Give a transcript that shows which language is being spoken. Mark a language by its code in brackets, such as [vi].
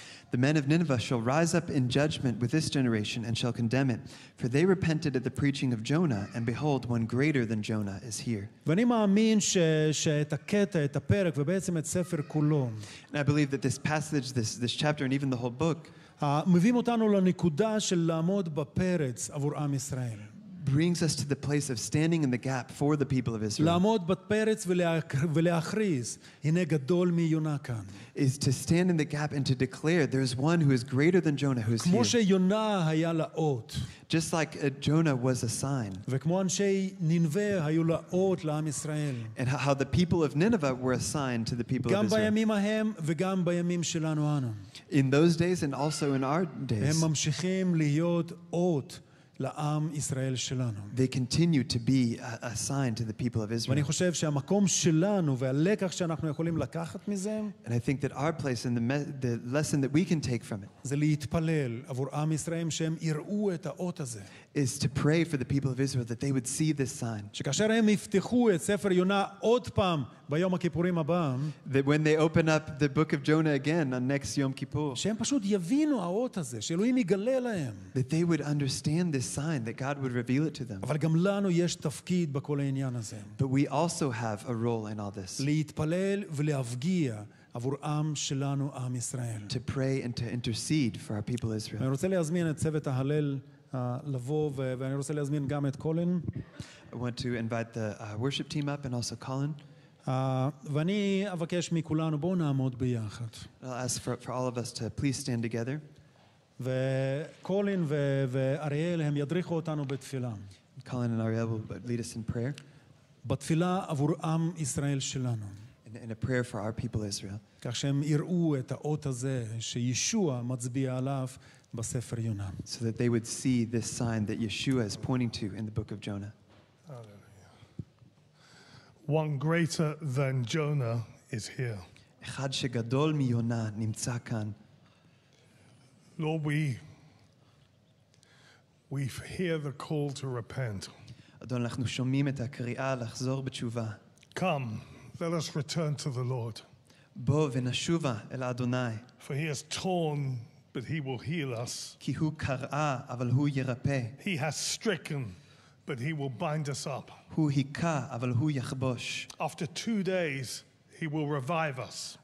[en] The men of Nineveh shall rise up in judgment with this generation and shall condemn it. For they repented at the preaching of Jonah, and behold, one greater than Jonah is here. And I believe that this passage, this chapter, and even the whole book [he] מביאים אותנו לנקודה של לעמוד בפרץ עבור עם ישראל. [en] brings us to the place of standing in the gap for the people of Israel. [he] לעמוד בפרץ ולהכריז, הנה גדול מיונה כאן. [en] Is to stand in the gap and to declare there is one who is greater than Jonah who is [he] כמו [en] here. [he] שיונה היה לה אות. [en] Just like Jonah was a sign. [he] וכמו אנשי נינווה היו לה אות לעם ישראל. [en] And how the people of Nineveh were a sign to the people [he] גם [en] of Israel. [he] בימים ההם וגם בימים שלנו אנו. [en] In those days and also in our days. [he] הם ממשיכים להיות אות. לעם ישראל שלנו. [en] They continue to be a sign to the people of Israel. [he] ואני חושב שהמקום שלנו והלקח שאנחנו יכולים לקחת מזה. [en] And I think that our place and the lesson that we can take from it. [he] זה להתפלל עבור עם ישראל שהם יראו את האות הזה. [en] Is to pray for the people of Israel that they would see this sign. [he] שכאשר הם יפתחו את ספר יונה עוד פעם ביום הכיפורים הבא. [en] That when they open up the book of Jonah again on next Yom Kippur. [he] שהם פשוט יבינו האות הזה, שאלוהים יגלה להם. [en] That they would understand this sign, that God would reveal it to them. [he] אבל גם לנו יש תפקיד בכל העניין הזה. [en] But we also have a role in all this. [he] להתפלל ולהפגיע עבור עם שלנו, עם ישראל. [en] To pray and to intercede for our people Israel. [he] אני רוצה להזמין את צוות ההלל לבוא, ואני רוצה להזמין גם את קולין. [en] I want to invite the worship team up and also Colin. [he] ואני אבקש מכולנו, בואו נעמוד ביחד. [en] I'll ask for all of us to please stand together. [he] וקולין ואריאל הם ידריכו אותנו בתפילה. [en] Colin and Ariel will lead us in prayer. [he] בתפילה עבור עם ישראל שלנו. [en] In a prayer for our people Israel. [he] כך שהם יראו את האות הזה שישוע מצביע עליו בספר יונה. [en] So that they would see this sign that Yeshua is pointing to in the book of Jonah. One greater than Jonah is here. [he] אחד שגדול מיונה נמצא כאן. [en] Lord, we hear the call to repent. [he] אדון, אנחנו שומעים את הקריאה לחזור בתשובה. [en] Come, let us return to the Lord. [he] בוא ונשובה אל אדוני. [en] For he has torn, but he will heal us. [he] כי הוא קרא, אבל הוא ירפא. [en] He has stricken, but he will bind us up. [he] הוא היכה, אבל הוא יחבוש. [en] After 2 days, he will revive us.